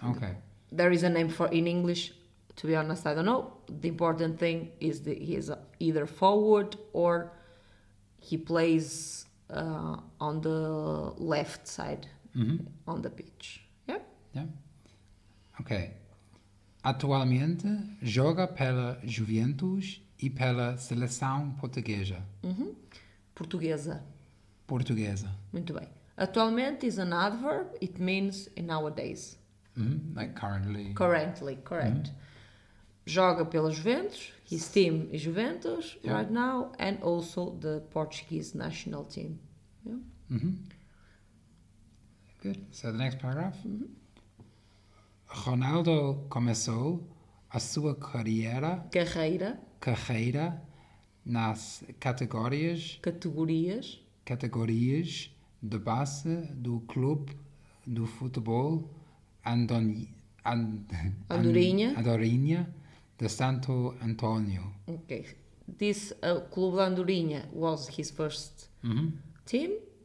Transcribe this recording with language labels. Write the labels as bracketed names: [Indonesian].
[English] Okay. There is a name for in English. To be honest, I don't know. The important thing is that he is either forward or he plays on the left side on the pitch. Yeah. Yeah. Okay. [Portuguese] Atualmente joga pela Juventus e pela seleção portuguesa. Portuguesa. Portuguesa. Muito bem. [English] Atualmente is an adverb. It means nowadays. Like currently. Currently, correct. [Portuguese] Joga pela Juventus. [English] His team is Juventus right now. And also the Portuguese national team. Yeah. Good. So the next paragraph. [Portuguese] Ronaldo começou a sua carreira nas categorias de base do clube do futebol Andorinha de Santo António. [English] Okay. This clube de Andorinha was his first team.